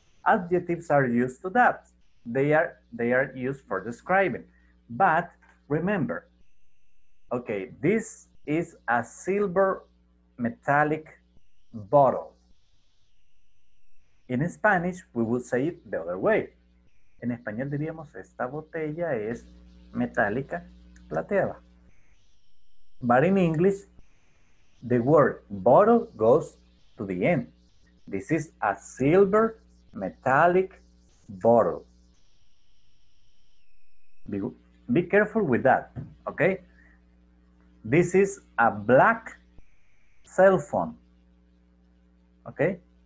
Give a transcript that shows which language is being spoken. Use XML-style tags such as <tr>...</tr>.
<en>Adjectives are used to that. They are used for describing. But remember, okay, this is a silver metallic bottle. In Spanish, we would say it the other way.</en> <es>En español diríamos, esta botella es metálica plateada.</es> <en>But in English, the word bottle goes to the end. This is a silver metallic bottle. Be careful with that, okay? This is a black cell phone. Okay?</en>